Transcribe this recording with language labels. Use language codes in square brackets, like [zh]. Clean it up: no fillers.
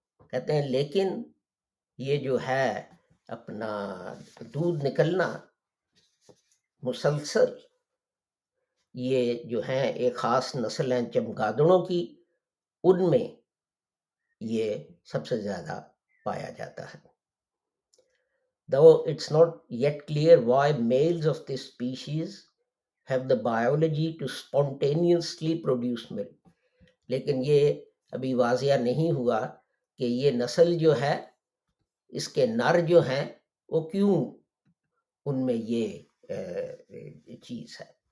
[ur] کہتے ہیں لیکن یہ جو ہے اپنا دودھ نکلنا مسلسل, یہ جو ہیں ایک خاص نسل ہیں چمگادڑوں کی, ان میں یہ سب سے زیادہ پایا جاتا ہے. [en] Though it's not yet clear why males of this species have the biology to spontaneously produce milk. [ur] لیکن یہ ابھی واضح نہیں ہوا کہ یہ نسل جو ہے اس کے نر جو ہیں وہ کیوں ان میں یہ چیز ہے.